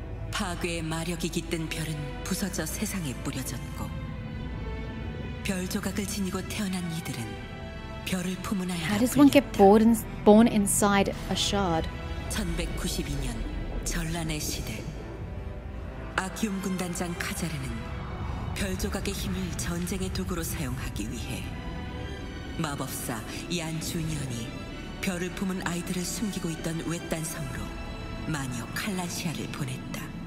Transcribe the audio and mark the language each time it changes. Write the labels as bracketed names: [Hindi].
[Korean] 파괴의 마력이 깃든 별은 부서져 세상에 뿌려졌고 별 조각을 지니고 태어난 이들은 별을 품으나야. [English] How does one get born inside a shard? [Korean] 1192년 전란의 시대. 아키움 군단장 카자르는 별 조각의 힘을 전쟁의 도구로 사용하기 위해 마법사 얀 주니언이 별을 품은 아이들을 숨기고 있던 외딴 섬으로 마녀 칼라시아를 보냈다.